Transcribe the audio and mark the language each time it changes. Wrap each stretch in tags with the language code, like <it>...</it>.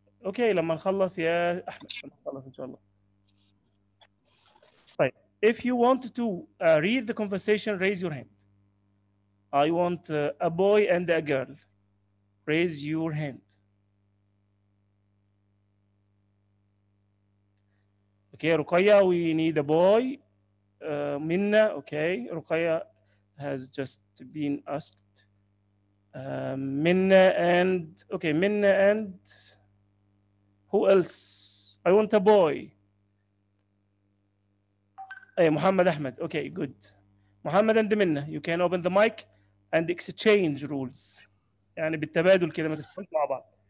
<ar>Okay, لما نخلص يا أحمد, لما نخلص إن شاء الله.</ar> <en>Right. If you want to read the conversation, raise your hand. I want a boy and a girl. Raise your hand. Okay, Ruqayya, we need a boy. Minna, okay. Ruqayya has just been asked. Minna and, okay, Minna and who else? I want a boy. Hey, Muhammad Ahmed, okay, good. Muhammad and Minna, you can open the mic and exchange rules.</en> <ar>يعني بالتبادل كده ما تتفقش مع بعض.</ar>